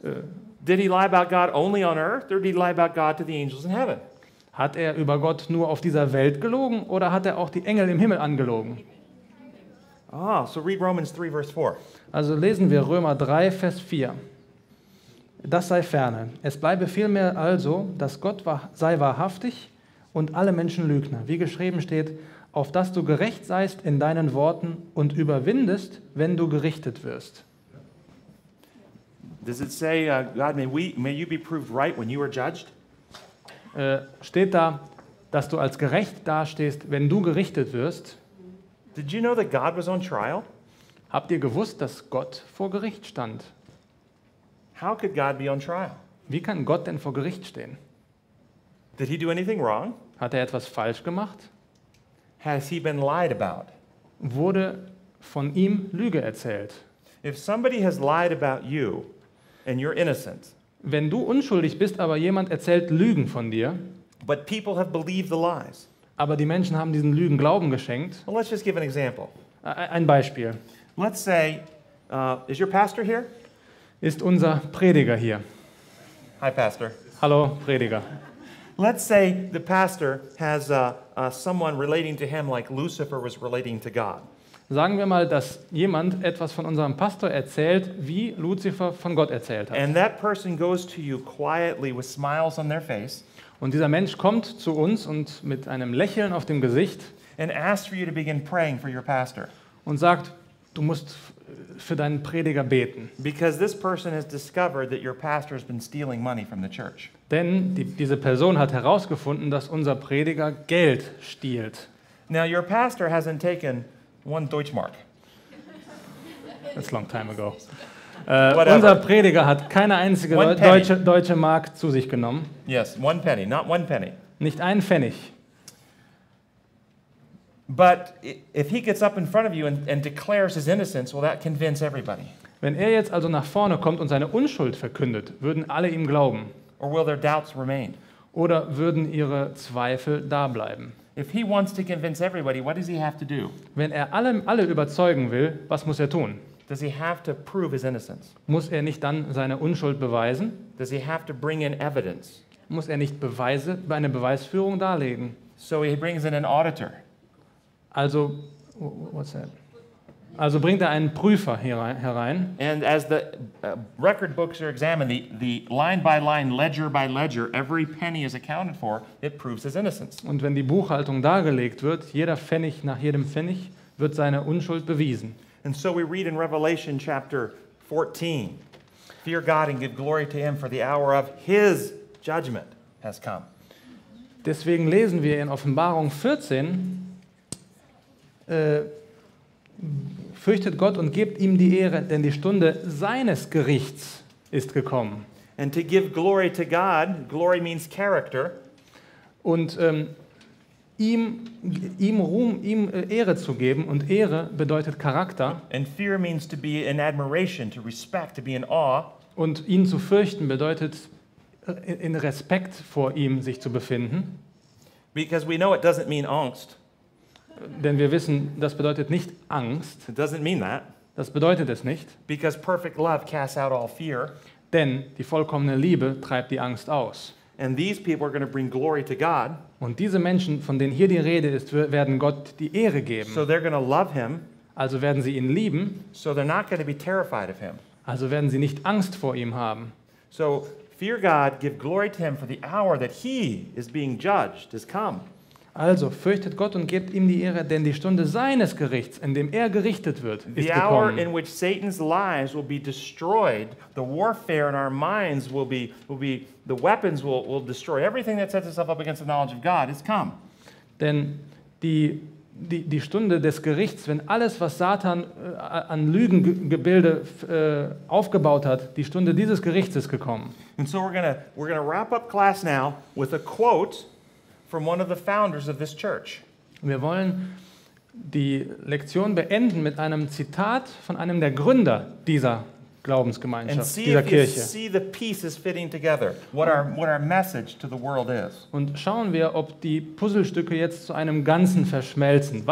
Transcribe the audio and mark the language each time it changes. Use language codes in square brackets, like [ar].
[en] Did he lie about God only on earth, or did he lie about God to the angels in heaven? [de] Hat er über Gott nur auf dieser Welt gelogen, oder hat er auch die Engel im Himmel angelogen? [en] So read Romans 3, verse 4. [de] Also lesen wir Römer 3, Vers 4. Das sei ferne. Es bleibe vielmehr also, dass Gott sei wahrhaftig und alle Menschen Lügner. Wie geschrieben steht, auf dass du gerecht seist in deinen Worten und überwindest, wenn du gerichtet wirst. [en] Does it say, God, may you be proved right when you are judged? [de] Steht da, dass du als gerecht dastehst, wenn du gerichtet wirst? [en] Did you know that God was on trial? [de] Habt ihr gewusst, dass Gott vor Gericht stand? [en] How could God be on trial? [de] Wie kann Gott denn vor Gericht stehen? [en] Did he do anything wrong? [de] Hat er etwas falsch gemacht? [en] Has he been lied about? [de] Wurde von ihm Lüge erzählt? [en] If somebody has lied about you, and you're innocent. [de] Wenn du unschuldig bist, aber jemand erzählt Lügen von dir, [en] but people have believed the lies. [de] Aber die Menschen haben diesen Lügen Glauben geschenkt. [en] Well, let's just give an example. [de] Ein Beispiel. [en] Let's say, is your pastor here? [de] Ist unser Prediger hier? [en] Hi, Pastor. [de] Hallo, Prediger. [en] Let's say the pastor has someone relating to him like Lucifer was relating to God. [de] Sagen wir mal, dass jemand etwas von unserem Pastor erzählt, wie Lucifer von Gott erzählt hat. [en] And that person goes to you quietly with smiles on their face. [de] Und dieser Mensch kommt zu uns und mit einem Lächeln auf dem Gesicht [en] and asks for you to begin praying for your pastor. [de] Und sagt, du musst für deinen Prediger beten. [en] Because this person has discovered that your pastor has been stealing money from the church. [de] Denn diese Person hat herausgefunden, dass unser Prediger Geld stiehlt. [en] Now your pastor hasn't taken one Deutschmark. That's a long time ago. [de] Unser Prediger hat keine einzige deutsche Mark zu sich genommen. [en] Yes, one penny, not one penny. [de] Nicht ein Pfennig. [en] But if he gets up in front of you and declares his innocence, will that convince everybody? [de] Wenn er jetzt also nach vorne kommt und seine Unschuld verkündet, würden alle ihm glauben? [en] Or will their doubts remain? [de] Oder würden ihre Zweifel da bleiben? [en] If he wants to convince everybody, what does he have to do? [de] Wenn er alle überzeugen will, was muss er tun? [en] Does he have to prove his innocence? [de] Muss er nicht dann seine Unschuld beweisen? [en] Does he have to bring in evidence? [de] Muss er nicht Beweise bei einer Beweisführung darlegen? [en] So he brings in an auditor. [de] Also, [en] what's that? [de] Also bringt er einen Prüfer herein. [en] And as the record books are examined, the line by line, ledger by ledger, every penny is accounted for, it proves his innocence. [de] Und wenn die Buchhaltung dargelegt wird, jeder Pfennig nach jedem Pfennig, wird seine Unschuld bewiesen. [en] And so we read in Revelation chapter 14, fear God and give glory to him, for the hour of his judgment has come. [de] Deswegen lesen wir in Offenbarung 14, fürchtet Gott und gebt ihm die Ehre, denn die Stunde seines Gerichts ist gekommen. [en] And to give glory to God, glory means character. [de] Und ihm Ruhm, ihm Ehre zu geben, und Ehre bedeutet Charakter. [en] And fear means to be in admiration, to respect, to be in awe. [de] Und ihn zu fürchten bedeutet in Respekt vor ihm sich zu befinden. [en] Because we know it doesn't mean angst. [de] Denn wir wissen, das bedeutet nicht Angst. [en] It doesn't mean that. [de] Das bedeutet es nicht. [en] Because perfect love casts out all fear. [de] Denn die vollkommene Liebe treibt die Angst aus. [en] And these people are going to bring glory to God. [de] Und diese Menschen, von denen hier die Rede ist, werden Gott die Ehre geben. [en] So they're going to love him. [de] Also werden sie ihn lieben. [en] So they're not going to be terrified of him. [de] Also werden sie nicht Angst vor ihm haben. [en] So fear God, give glory to him, for the hour that he is being judged has come. [de] Also fürchtet Gott und gebt ihm die Ehre, denn die Stunde seines Gerichts, in dem er gerichtet wird, ist gekommen. [en] The hour in which Satan's lies will be destroyed, the warfare in our minds will be the weapons will destroy everything that sets itself up against the knowledge of God has come. [de] Denn die Stunde des Gerichts, wenn alles, was Satan an Lügengebilde aufgebaut hat, die Stunde dieses Gerichts ist gekommen. [en] And so we're gonna wrap up class now with a quote from one of the founders of this church. [de] Wir wollen die Lektion beenden mit einem Zitat von einem der Gründer dieser Glaubensgemeinschaft, dieser Kirche. [en] See the pieces fitting together. What our message to the world is. [de] Und schauen wir, ob die Puzzlestücke jetzt zu einem Ganzen verschmelzen.